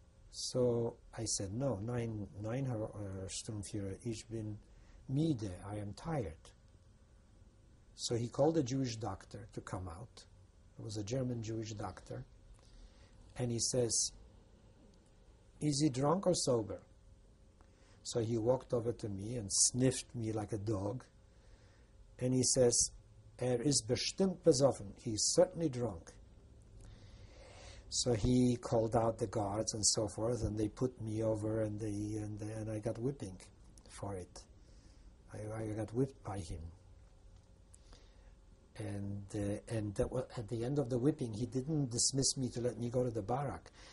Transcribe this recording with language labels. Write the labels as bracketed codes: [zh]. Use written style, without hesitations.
[en] So I said, "No, nine Sturmführer, [de] ich bin müde, [en] I am tired." So he called a Jewish doctor to come out. It was a German Jewish doctor. And he says, "Is he drunk or sober?" So he walked over to me and sniffed me like a dog. And he says, [de] "Er ist bestimmt besoffen." [en] He's certainly drunk. So he called out the guards and so forth, and they put me over, and I got whipping for it. I got whipped by him. At the end of the whipping, he didn't dismiss me to let me go to the barrack.